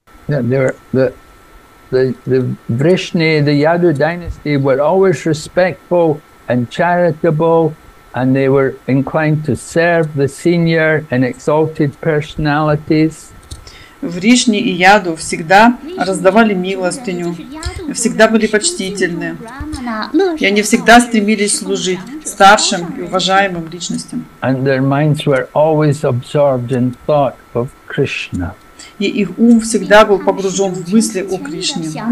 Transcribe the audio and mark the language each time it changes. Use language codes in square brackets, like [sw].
[en] The Vrishni, the Yadu dynasty, were always respectful and charitable, and they were inclined to serve the senior and exalted personalities. [ru] Вришни и Яду всегда раздавали милостыню, всегда были почтительны, и они всегда стремились служить старшим и уважаемым личностям. [en] And their minds were always absorbed in thought of Krishna. [ru] И их ум всегда был погружен в мысли о Кришне.